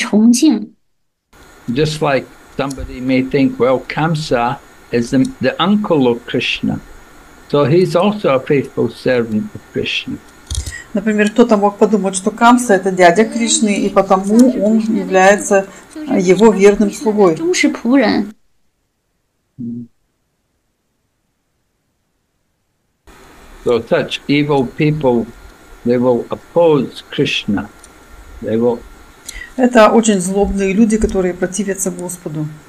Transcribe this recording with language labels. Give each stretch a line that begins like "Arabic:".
English: Just like somebody may think, well, Kamsa is the uncle of Krishna, so he's also a faithful servant of Krishna.
Russian: Например, кто-то мог подумать, что Камса — это дядя Кришны, и потому он является его верным слугой.
English: So such evil people, they will oppose Krishna. They will...
Russian: Это очень злобные люди, которые противятся Господу.